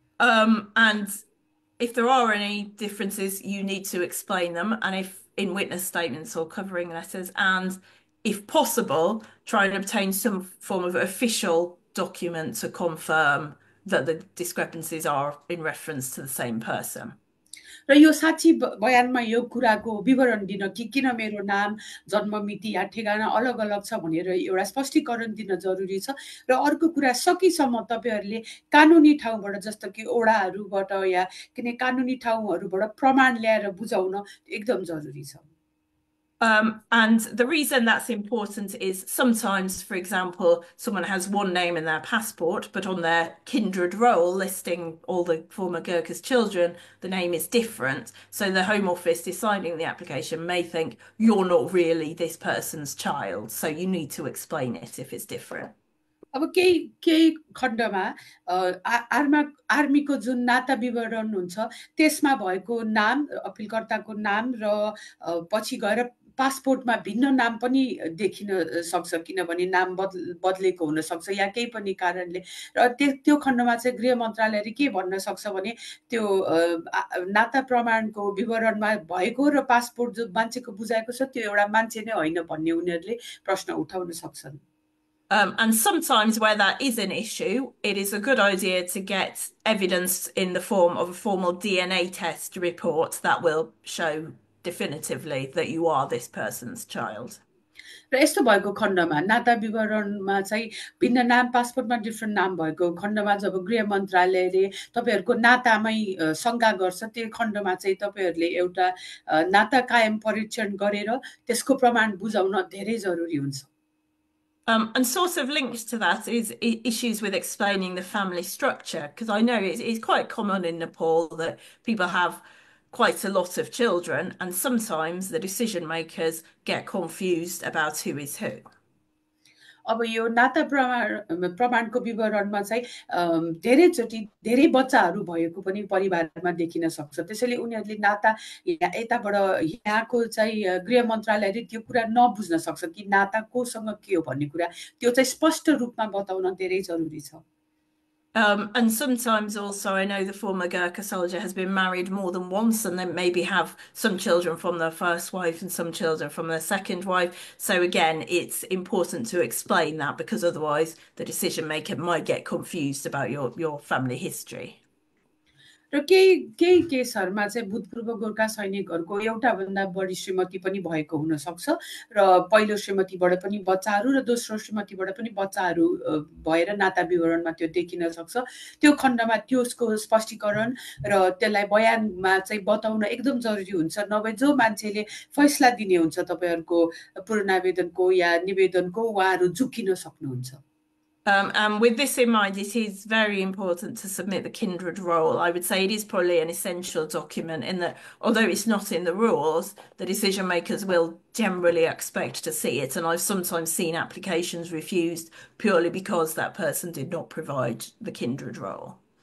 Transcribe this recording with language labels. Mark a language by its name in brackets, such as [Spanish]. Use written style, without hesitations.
[English] And if there are any differences, you need to explain them, and if in witness statements or covering letters, and if possible, try and obtain some form of official document to confirm that the discrepancies are in reference to the same person. [Nepali] र यो साक्षी बयानमा यो कुराको विवरण दिन कि किन मेरो नाम, जन्म मिति या ठेगाना अलग अलग छ भनेर एउटा स्पष्टीकरण दिन जरुरी छ. र अर्को कुरा, सकेसम्म तपाईँहरूले कानुनी ठाउँबाट, जस्तो कि ओडाहरूबाट या कुनै कानुनी ठाउँहरूबाट प्रमाण ल्याएर बुझाउन एकदम जरुरी छ. [English] And the reason that's important is sometimes, for example, someone has one name in their passport, but on their kindred roll listing all the former Gurkha's children, the name is different. So the Home Office deciding the application may think you're not really this person's child. So you need to explain it if it's different. [Nepali] अब केही केही खण्डमा Arma आर्मीको जुन नाता विवरण हुन्छ त्यसमा भएको नाम, अपिलकर्ताको नाम र पछि गएर पासपोर्टमा भिन्न नाम पनि देखिन सक्छ, किनभने नाम बदलेको हुनसक्छ या केही पनि कारणले. र त्यो खण्डमा चाहिँ गृह मन्त्रालयले के भन्न सक्छ भने त्यो नाता प्रमाणको विवरणमा भएको र पासपोर्ट जो मान्छेको बुझाएको छ त्यो एउटा मान्छे नै होइन भन्ने उनीहरूले प्रश्न उठाउन सक्छन्. [English] And sometimes, where that is an issue, it is a good idea to get evidence in the form of a formal DNA test report that will show definitively that you are this person's child. [Nepali] र यस्तो भएको खण्डमा, नाता विवरणमा चाहिँ भिन्न नाम, पासपोर्टमा different नाम भएको खण्डमा जब गृह मन्त्रालयले तपाईँहरूको नातामै शङ्का गर्छ, त्यो खण्डमा चाहिँ तपाईँहरूले एउटा नाता कायम परीक्षण गरेर त्यसको प्रमाण बुझाउन धेरै जरुरी हुन्छ. [English] And sort of linked to that is issues with explaining the family structure, because I know it's quite common in Nepal that people have quite a lot of children, and sometimes the decision makers get confused about who is who. [Nepali] अब यो नाता प्रमाणको विवरणमा चाहिँ धेरैचोटि धेरै बच्चाहरू भएको पनि परिवारमा देखिन सक्छ, त्यसैले उनीहरूले नाता या यताबाट यहाँको चाहिँ गृह मन्त्रालयले त्यो कुरा नबुझ्न सक्छ कि नाता कोसँग के हो भन्ने कुरा, त्यो चाहिँ स्पष्ट रूपमा बताउन धेरै जरुरी छ. [English] And sometimes also, I know the former Gurkha soldier has been married more than once, and they maybe have some children from their first wife and some children from their second wife. So again, it's important to explain that because otherwise the decision maker might get confused about your family history. [Nepali] र केही केही केसहरूमा चाहिँ भूतपूर्व गोर्खा सैनिकहरूको एउटा भन्दा बढी श्रीमती पनि भएको हुनसक्छ, र पहिलो श्रीमतीबाट पनि बच्चाहरू र दोस्रो श्रीमतीबाट पनि बच्चाहरू भएर नाता विवरणमा त्यो देखिन सक्छ. त्यो खण्डमा त्यसको स्पष्टीकरण र त्यसलाई बयानमा चाहिँ बताउन एकदम जरुरी हुन्छ, नभए जो मान्छेले फैसला दिने हुन्छ तपाईँहरूको पुनरावेदनको या निवेदनको, उहाँहरू झुक्किन सक्नुहुन्छ. [English] And with this in mind, it is very important to submit the kindred roll. I would say it is probably an essential document in that, although it's not in the rules, the decision makers will generally expect to see it. And I've sometimes seen applications refused purely because that person did not provide the kindred roll.